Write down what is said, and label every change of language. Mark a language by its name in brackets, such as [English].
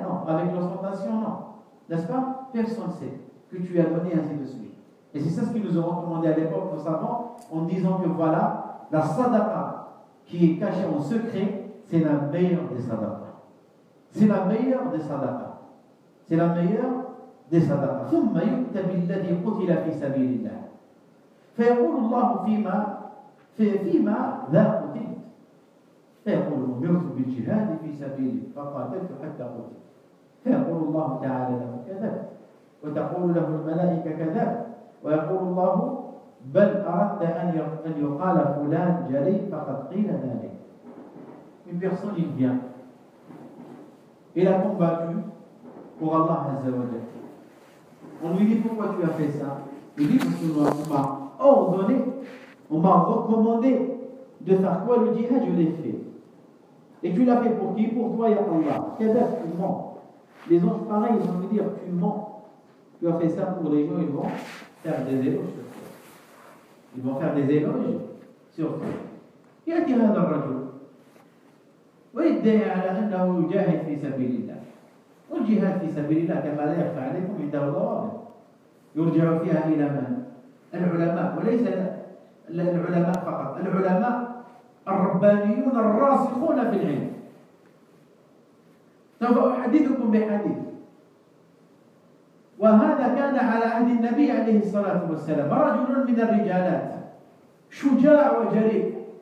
[French] Non, avec l'ostentation, non. N'est-ce pas? Personne ne sait que tu as donné ainsi de suite. Et c'est ça ce qu'ils nous ont recommandé à l'époque, nos savants, en disant que voilà, la sadaqa qui est caché en secret, c'est la meilleure des sadaqas. C'est la meilleure des sadaqas. C'est la meilleure des sadaqas. [Arabic] ثُمَّ يُؤْتَ بِالَّذِي قُتِلَ فِي سَبِيلِ اللَّهِ فَيَقُولُ اللَّهُ فِيمَا ذَا قُتِلْتُ فَيَقُولُ أُمِرْتُ بِالْجِهَادِ فِي سَبِيلِ فَقَاتَلْتُ حَتَّى قُتِلْتُ فَيَقُولُ اللَّهُ تَعَالَى لَهُ كَذَبْتُ وَتَقُولُ لَهُ الْمَلَائِكَةُ كَذَبْتُ وَيَقُولُ اللَّهُ بل أردت أن يقال فلان جليل فقد قيل ذلك. [French] Une personne, il vient. Il a combattu pour Allah Azza wa Jalla. On lui dit, pourquoi tu as fait ça? Il dit, parce qu'on m'a ordonné, on m'a recommandé de faire quoi? Le djihad, je l'ai fait. Et tu l'as fait pour qui? Pour toi, ya Allah. Kadhaf, tu mens. Les anges, pareil, ils vont lui dire, tu mens. Tu as fait ça pour les gens, ils vont faire des éloges sur toi. Ils vont faire des éloges sur toi. Il a tiré dans le radio. [Arabic] ويدعي على أنه يجاهد في سبيل الله والجهاد في سبيل الله كما لا يخفى عليكم عند الله يرجع فيها إلى من؟ العلماء وليس العلماء فقط العلماء الربانيون الراسخون في العلم سوف أحدثكم بحديث وهذا كان على عهد النبي عليه الصلاة والسلام رجل من الرجالات شجاع وجريء